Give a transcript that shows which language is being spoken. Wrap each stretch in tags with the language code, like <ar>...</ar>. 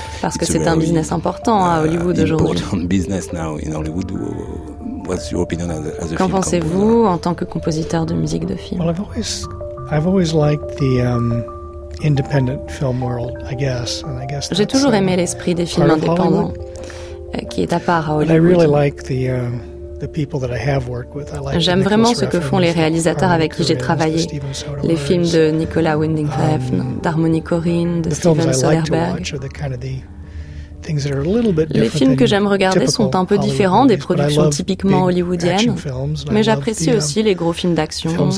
<fr>parce que c'est un business important à Hollywood aujourd'hui.</fr> <en>Important business now in Hollywood. What's your opinion as a film composer?</en> <fr>Qu'en pensez-vous en tant que compositeur de musique de film?</fr> <en>Well, I've always liked the independent film world, I guess. And I guess</en> <fr>j'ai toujours aimé l'esprit des films indépendants. Qui est à part à Hollywood.</fr> <en>I really like the people that I have worked with. I like</en> <fr>j'aime vraiment ce que font les réalisateurs avec qui j'ai travaillé. Les films de Nicolas Winding Refn, d'Harmony Korine, de Steven Soderbergh. Les films que j'aime regarder sont un peu différents des productions typiquement hollywoodiennes, mais j'apprécie aussi les gros films d'action.</fr>